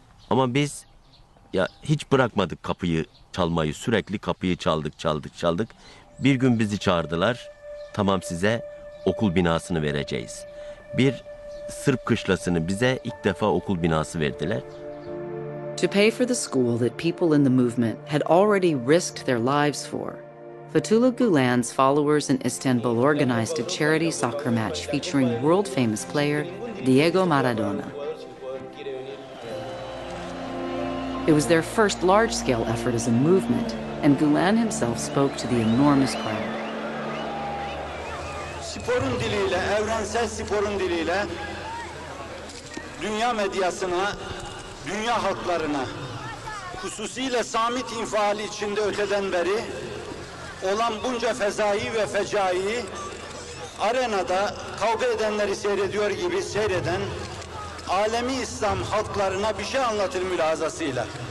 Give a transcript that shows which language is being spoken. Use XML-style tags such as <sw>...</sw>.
<tr>Ama biz ya hiç bırakmadık kapıyı çalmayı, sürekli kapıyı çaldık, çaldık, çaldık. Bir gün bizi çağırdılar, tamam size okul binasını vereceğiz. Bir Sırp kışlasını bize ilk defa okul binası verdiler.</tr> <en>To pay for the school that people in the movement had already risked their lives for, Fethullah Gulen's followers in Istanbul organized a charity soccer match featuring world-famous player Diego Maradona. It was their first large-scale effort as a movement, and Gulen himself spoke to the enormous crowd.</en> <tr>Sporun diliyle, evrensel sporun diliyle, dünya medyasına, dünya halklarına, hususiyle Sami infiali içinde öteden beri olan bunca fezai ve fecai arenada kavga edenleri seyrediyor gibi seyreden alemi İslam halklarına bir şey anlatır mülazasıyla.</tr>